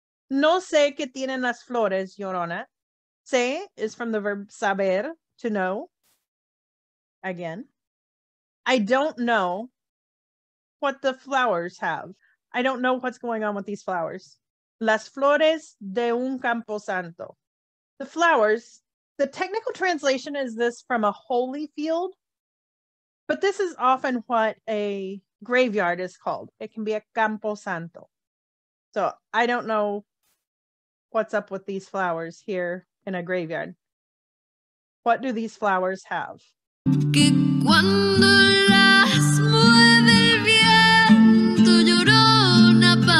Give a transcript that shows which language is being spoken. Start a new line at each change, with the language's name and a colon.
Spanish: No sé qué tienen las flores, Llorona.
English: Sé is from the verb saber, to know. Again. I don't know what the flowers have. I don't know what's going on with these flowers.
Spanish: Las flores de un campo santo.
English: The flowers. The technical translation is this from a holy field, but this is often what a graveyard is called. It can be a campo santo. So I don't know what's up with these flowers here in a graveyard. What do these flowers have?
Spanish: Que cuando las mueve el viento, llorona,